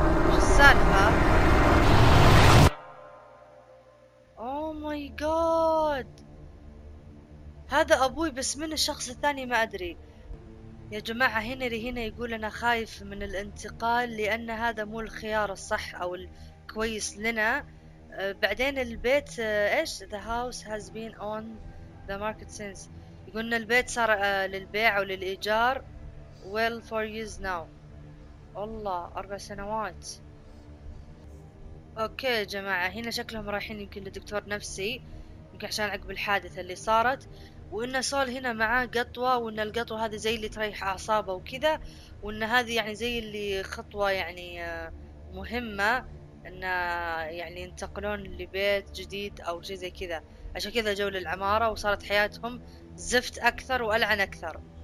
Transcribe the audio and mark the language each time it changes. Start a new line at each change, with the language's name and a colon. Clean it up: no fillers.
Arabic: شو السالفة؟
English: oh my god,
Arabic: هذا ابوي بس من الشخص الثاني ما ادري. يا جماعة هنا يقول انا خايف من الانتقال لان هذا مو الخيار الصح او الكويس لنا. بعدين البيت ايش؟
English: The house has been on the market since.
Arabic: يقولنا البيت صار للبيع أو للإيجار.
English: well for years now.
Arabic: الله 4 سنوات. أوكي يا جماعة هنا شكلهم رايحين يمكن لدكتور نفسي، يمكن عشان عقب الحادثة اللي صارت، وإن سول هنا معاه قطوة، وإن القطوة هذه زي اللي تريح أعصابه وكذا، وإن هذه يعني زي اللي خطوة يعني مهمة إن يعني ينتقلون لبيت جديد أو شيء زي كذا، عشان كذا جو للعمارة وصارت حياتهم زفت أكثر وألعن أكثر.